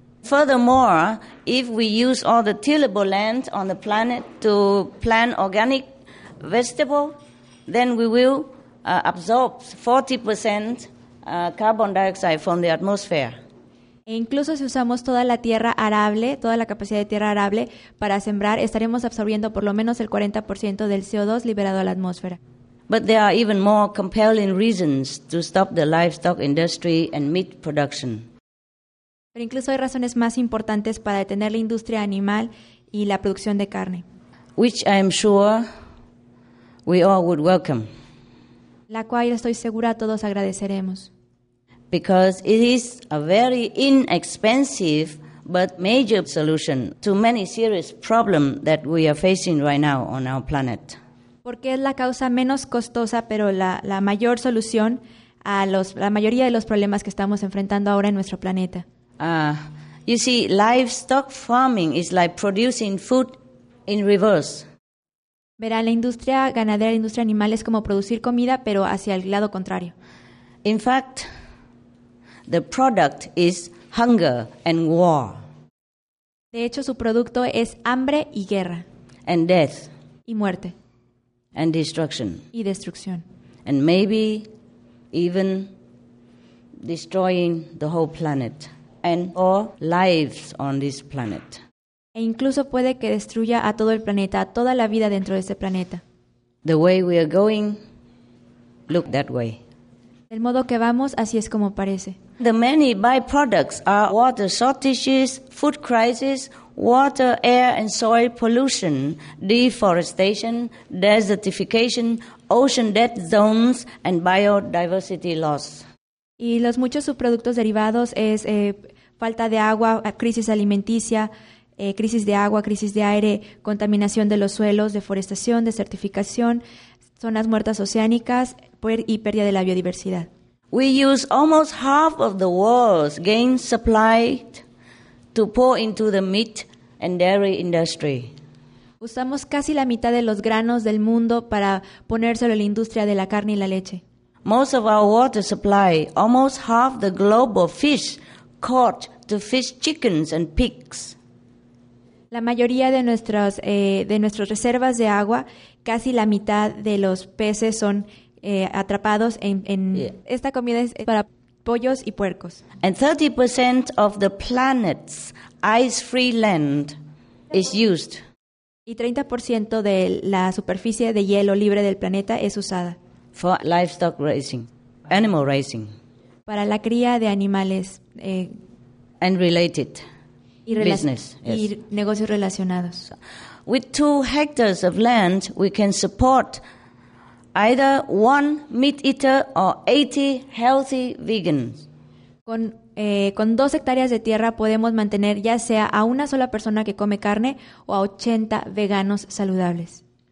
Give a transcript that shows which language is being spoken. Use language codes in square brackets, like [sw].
[en] Furthermore, if we use all the tillable land on the planet to plant organic vegetables, then we will absorb 40% carbon dioxide from the atmosphere. [es] E incluso si usamos toda la tierra arable, toda la capacidad de tierra arable para sembrar, estaremos absorbiendo por lo menos el 40% del CO2 liberado a la atmósfera. [en] But there are even more compelling reasons to stop the livestock industry and meat production. [es] Pero incluso hay razones más importantes para detener la industria animal y la producción de carne. [en] Which I am sure we all would welcome. [es] La cual estoy segura todos agradeceremos. [en] Because it is a very inexpensive but major solution to many serious problems that we are facing right now on our planet. [es] Porque es la causa menos costosa, pero la mayor solución a la mayoría de los problemas que estamos enfrentando ahora en nuestro planeta. [en] You see, livestock farming is like producing food in reverse. [es] Verán, la industria ganadera, la industria animal es como producir comida, pero hacia el lado contrario. [en] In fact, the product is hunger and war. [es] De hecho, su producto es hambre y guerra. [en] And death. [es] Y muerte. [en] And destruction. [es] Y destrucción. [en] And maybe even destroying the whole planet and all lives on this planet. [es] E incluso puede que destruya a todo el planeta, a toda la vida dentro de este planeta. [en] The way we are going, look that way. [es] Del modo que vamos, así es como parece. [en] The many byproducts are water shortages, food crisis, water, air and soil pollution, deforestation, desertification, ocean dead zones and biodiversity loss. [es] Y los muchos subproductos derivados es falta de agua, crisis alimenticia, crisis de agua, crisis de aire, contaminación de los suelos, deforestación, desertificación, zonas muertas oceánicas y pérdida de la biodiversidad. [en] We use almost half of the world's grain supply to pour into the meat and dairy industry. [es] Usamos casi la mitad de los granos del mundo para ponérselo a la industria de la carne y la leche. [en] Most of our water supply, almost half the global fish caught to fish chickens and pigs. [es] La mayoría de nuestras reservas de agua, casi la mitad de los peces son atrapados en yeah. Esta comida es para pollos y puercos. [en] And 30% of the planet's ice-free land is used. [es] Y 30% de la superficie de hielo libre del planeta es usada. [en] For livestock raising, animal raising. [es] Para la cría de animales. [en] And related. Business, [es] y [en] yes. [es] Negocios relacionados. [en] With 2 hectares of land, we can support either 1 meat eater or 80 healthy vegans. [es] Con 2 hectáreas de tierra podemos mantener ya sea a una sola persona que come carne o a 80 veganos saludables.